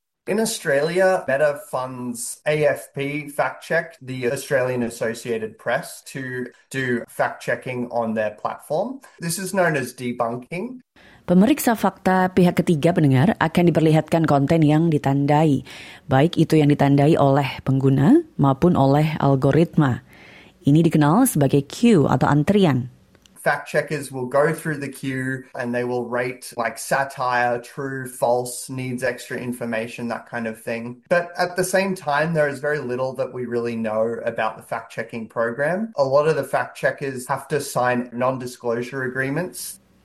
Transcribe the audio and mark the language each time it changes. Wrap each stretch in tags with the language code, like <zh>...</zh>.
<en>In Australia, Meta funds AFP Fact Check, the Australian Associated Press, to do fact checking on their platform. This is known as debunking.</en> <id>Pemeriksa fakta pihak ketiga pendengar akan diperlihatkan konten yang ditandai, baik itu yang ditandai oleh pengguna maupun oleh algoritma. Ini dikenal sebagai queue atau antrian.</id> <en>Fact checkers will go through the queue and they will rate like satire, true, false, needs extra information, that kind of thing. But at the same time, there is very little that we really know about the fact checking program. A lot of the fact checkers have to sign non-disclosure agreements.</en>